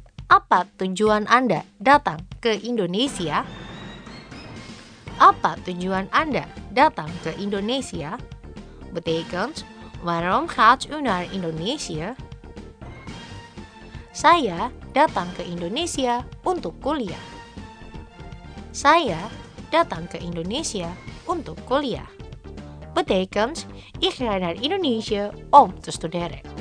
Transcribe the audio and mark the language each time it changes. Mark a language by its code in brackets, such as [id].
[id] Apa tujuan Anda datang ke Indonesia? Apa tujuan Anda datang ke Indonesia? [nl] Betekent waarom gaat u naar Indonesia? [id] Saya datang ke Indonesia untuk kuliah. Saya datang ke Indonesia untuk kuliah. [nl] Betekent, ik ga naar Indonesia om te studeren.